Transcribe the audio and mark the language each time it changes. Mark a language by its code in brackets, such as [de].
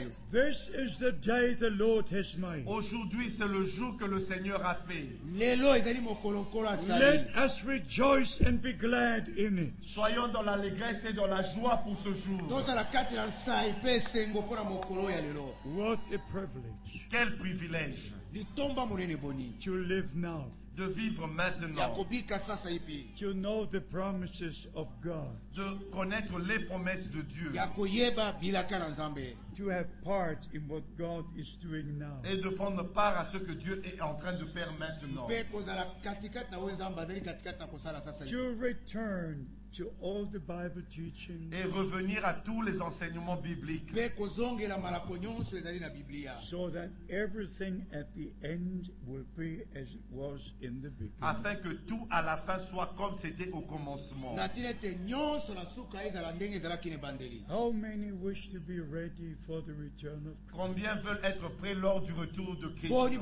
[en] This is the day the Lord has made. [fr] Aujourd'hui, c'est le jour que le Seigneur a fait. [en] Let us rejoice and be glad in it. [fr] Soyons dans l'allégresse et dans la joie pour ce jour. [en] What a privilege. [fr] Quel privilège. [en] To live now. [fr] De vivre maintenant. [en] To know the promises of God. [fr] De connaître les promesses de Dieu. [en] To have part in what God is doing now. [fr] Et de prendre part à ce que Dieu est en train de faire maintenant. [en] To return to all the Bible teachings. [fr] Et revenir à tous les enseignements bibliques. [en] So that everything at the end will be as it was in the beginning. [fr] Afin que tout à la fin soit comme c'était au commencement. [en] How many wish to be ready for the return of Christ? [fr] Combien veulent être prêts lors du retour de Christ?